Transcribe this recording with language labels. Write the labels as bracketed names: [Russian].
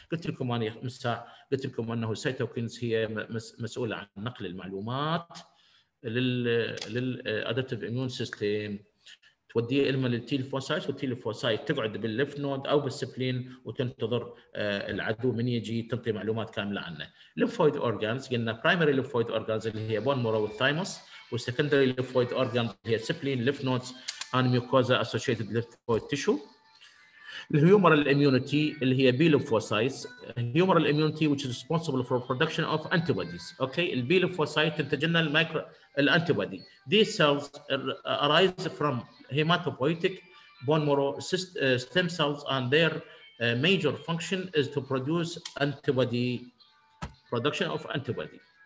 [Arabic] قلت لكم انا مساء قلت لكم انه سايتوكينز هي مسؤوله عن نقل المعلومات للادابتيف اميون سيستم, تودي الما للتي ليمفوسايت والتي ليمفوسايت تقعد بالليف نود او بالسبلين وتنتظر العدو من يجي تنطي معلومات كامله عنه. ليمفويد اورجانز قلنا برايمري ليمفويد اورجانز اللي هي بون مورو والثايموس [English] with secondary lymphoid organs here, simply lymph nodes and mucosa associated lymphoid tissue. Humoral immunity, [Arabic] اللي هي [English] B lymphocytes. Humoral immunity, which is responsible for production of antibodies. Okay, the B lymphocyte [Arabic] تنتج لنا المايكرو الانتيبادي. [English] These cells arise from hematopoietic bone marrow stem cells, and their major function is to produce antibody, production of antibody.